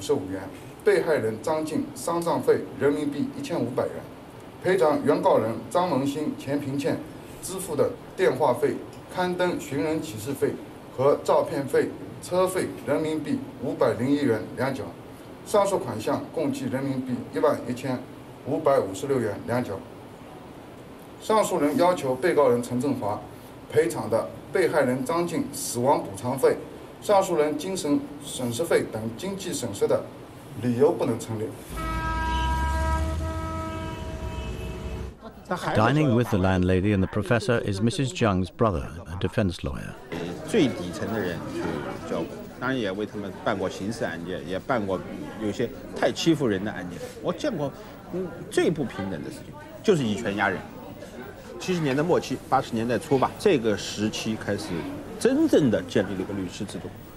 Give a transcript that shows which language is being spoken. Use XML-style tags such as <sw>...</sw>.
<zh>元，被害人张静丧葬费人民币1500元，赔偿原告人张文兴、钱平倩支付的电话费、刊登寻人启事费和照片费、车费人民币501元两角，上述款项共计人民币11556元两角。上诉人要求被告人陈振华赔偿的被害人张静死亡补偿费、上诉人精神损失费等经济损失的理由不能成立。</zh> <en>Dining with the landlady and the professor is Mrs. Zhang's brother, a defense lawyer.</en> <zh>最底层的人去照顾，当然也为他们办过刑事案件，也办过有些太欺负人的案件。我见过最不平等的事情就是以权压人。 70年代末期、80年代初吧，这个时期开始真正的建立了一个律师制度。</zh>